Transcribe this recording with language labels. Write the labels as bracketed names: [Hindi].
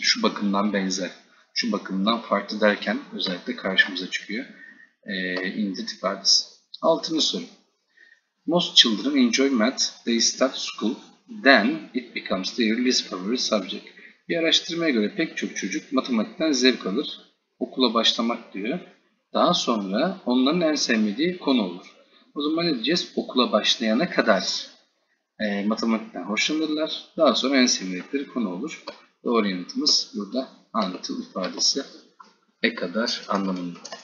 [Turkish] Şu bakımdan benzer, şu bakımdan farklı derken özellikle karşımıza çıkıyor. İndet ifadesi. Altıncı soru. [English] Most children enjoy math. They start school. Then it becomes their least favorite subject. [Turkish] Bir araştırmaya göre pek çok çocuk matematikten zevk alır. Okula başlamak diyor. Daha sonra onların en sevmediği konu olur. O zaman ne diyeceğiz? Okula başlayana kadar matematikten hoşlanırlar. Daha sonra en sevmedikleri konu olur. Doğru yanıtımız burada anlatı ifadesi e kadar anlamında.